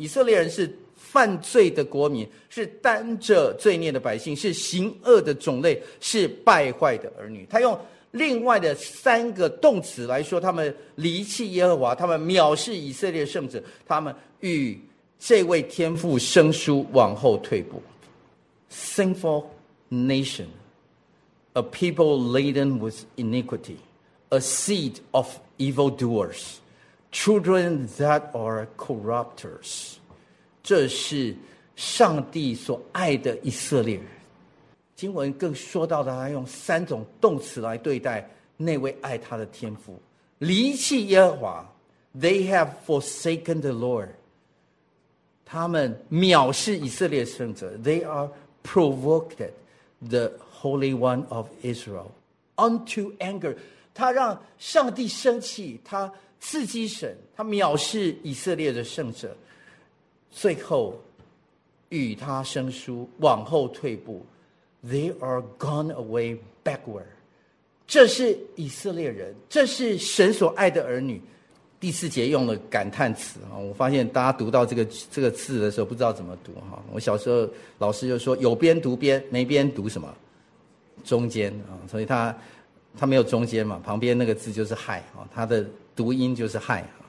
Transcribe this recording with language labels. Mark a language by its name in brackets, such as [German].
[Chinese] 以色列人是犯罪的国民，是担着罪孽的百姓，是行恶的种类，是败坏的儿女。他用另外的三个动词来说他们离弃耶和华，他们藐视以色列圣者，他们与这位天父生疏，往后退步。 [English] Sinful nation, a people laden with iniquity, a seed of evildoers, children that are corruptors. [Chinese] 这是上帝所爱的以色列人。经文更说到的，他用三种动词来对待那位爱他的天父。离弃耶和华， [English] They have forsaken the Lord. [Chinese] 他们藐视以色列圣者， [English] They are provoked the Holy One of Israel unto anger. [Chinese] 他让上帝生气，他刺激神，他藐视以色列的圣者，最后与他生疏，往后退步。 [English] They are gone away backward. [Chinese] 这是以色列人，这是神所爱的儿女。第四节用了感叹词，我发现大家读到这个字的时候不知道怎么读。我小时候老师就说有边读边，没边读什么中间，所以他没有中间嘛，旁边那个字就是害，他的读音就是害。